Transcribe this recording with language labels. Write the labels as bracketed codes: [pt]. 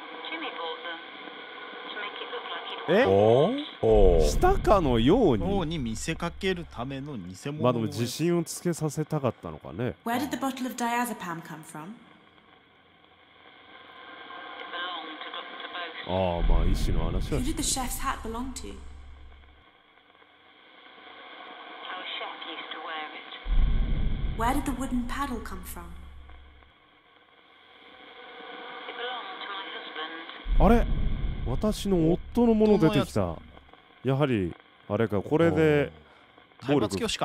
[en] Jimmy bought them to make it look like he'd won. [ja] え？したかのように。王に見せかけるための偽物。まあでも自信をつけさせたかったのかね。 [en] Where did the bottle of diazepam come from? It belonged to Dr. Bose. [ja] ああ、まあ医師の話は。 [en] Who did the chef's hat belong to? Our chef used to wear it. Where did the wooden paddle come from? It belonged to my husband. [ja] あれ、私の夫のもの出てきた。やはり、あれか、これで暴力を振